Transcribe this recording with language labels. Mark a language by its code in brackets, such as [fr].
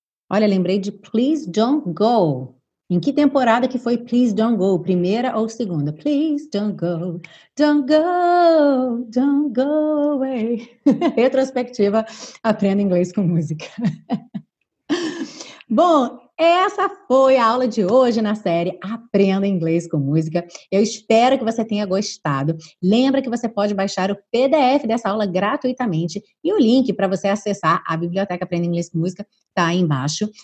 [pt] Olha, lembrei de please don't go. Em que temporada que foi Please Don't Go? Primeira ou segunda? [en] Please don't go, don't go, don't go away. [pt] Retrospectiva, aprenda inglês com música. Bom, essa foi a aula de hoje na série Aprenda Inglês com Música. Eu espero que você tenha gostado. Lembra que você pode baixar o PDF dessa aula gratuitamente e o link para você acessar a Biblioteca Aprenda Inglês com Música está aí embaixo.